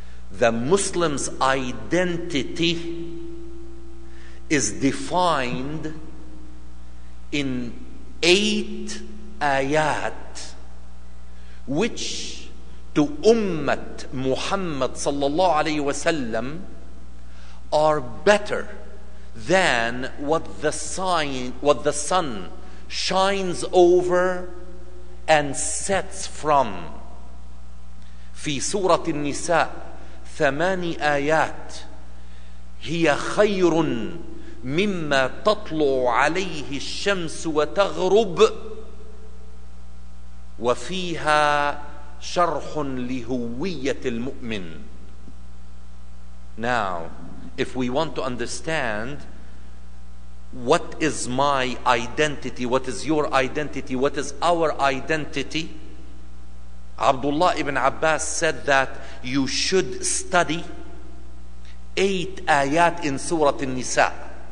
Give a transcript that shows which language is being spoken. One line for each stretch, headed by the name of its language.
English: the Muslim's identity is defined in 8 ayat, which to Ummat Muhammad sallallahu alayhi wa sallam are better than what the sun shines over and sets from.
Arabic: في سورة النساء 8 آيات هي خير مما تطلع عليه الشمس وتغرب وفيها شرح لهوية المؤمن.
English: Now, if we want to understand what is my identity, what is your identity, what is our identity, Abdullah ibn Abbas said that you should study 8 ayat in Surah An-Nisa.